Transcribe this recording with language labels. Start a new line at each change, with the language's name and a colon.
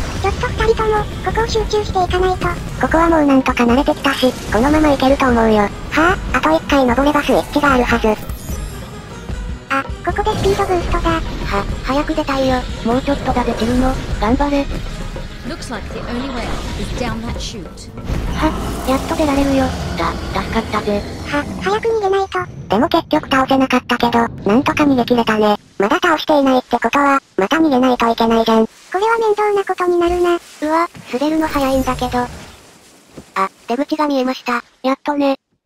Japanese: ちょっと二人とも、ここを集中していかないと。ここはもうなんとか慣れてきたし、このままいけると思うよ。はぁ、あと一回登ればスイッチがあるはず。あ、ここでスピードブーストだ。は、早く出たいよ。もうちょっとができるの、頑張れ。
English: Looks like the only way is down that chute.
Japanese: は、やっと出られるよ。だ、助かったぜ。は、早く逃げないと。でも結局倒せなかったけど、なんとか逃げ切れたね。まだ倒していないってことは、また逃げないといけないじゃん。これは面倒なことになるな。うわ、滑るの早いんだけど。あ、出口が見えました。やっとね。